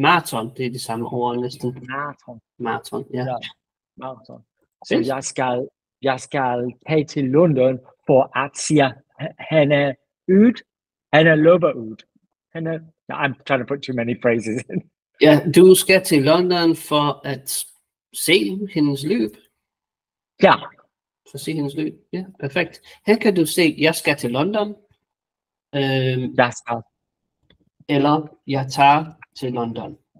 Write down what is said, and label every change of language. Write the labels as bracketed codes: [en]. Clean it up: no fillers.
[da] Marathon, det er det samme ord næsten. Marathon. Marathon. Så jeg skal tage til London for at se hende ud. Hende løber ud. [en] I'm trying to put too many phrases in. [da] Ja, du skal til London for at se hendes løb. Ja. For at se hendes løb. Ja, perfekt. Her kan du se, jeg skal til London. Eller jeg tager til London.